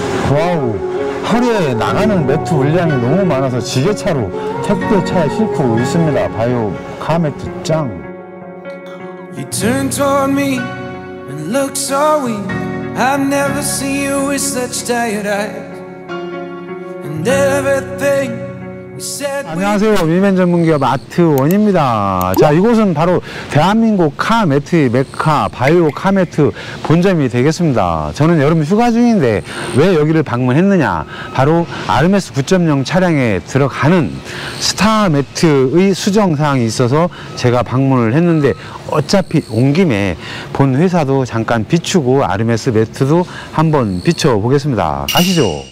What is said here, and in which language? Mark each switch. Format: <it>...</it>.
<ko>와우, 하루에 나가는 매트 물량이 너무 많아서 지게차로 택배 차에 싣고 있습니다. 봐요, 가매트 짱.</ko> <en>You turn toward me and look so weak. I've never seen you with such tired eyes. And everything.</en> <ko>안녕하세요. 위맨 전문기업 아트원입니다. 자, 이곳은 바로 대한민국 카매트의 메카 바이오 카매트 본점이 되겠습니다. 저는 여름 휴가 중인데 왜 여기를 방문했느냐. 바로 아르메스 9.0 차량에 들어가는 스타매트의 수정사항이 있어서 제가 방문을 했는데, 어차피 온 김에 본 회사도 잠깐 비추고 아르메스 매트도 한번 비춰보겠습니다. 가시죠.</ko>